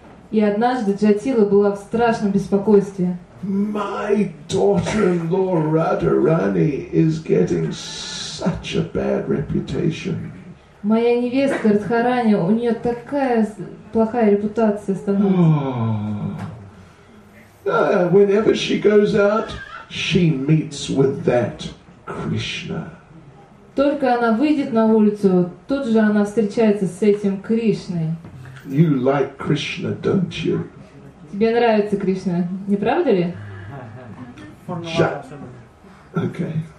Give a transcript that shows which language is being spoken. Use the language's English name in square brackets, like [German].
[Russian] И однажды Джатила была в страшном беспокойстве. [English] My daughter-in-law Radharani is getting such a bad reputation. [Russian] Моя невестка Радхарани, у нее такая плохая репутация становится. [English] Whenever she goes out, she meets with that Krishna. [Russian] Только она выйдет на улицу, тут же она встречается с этим Кришной. [English] You like Krishna, don't you? [Russian] Тебе нравится Кришна, не правда ли? [English] Okay.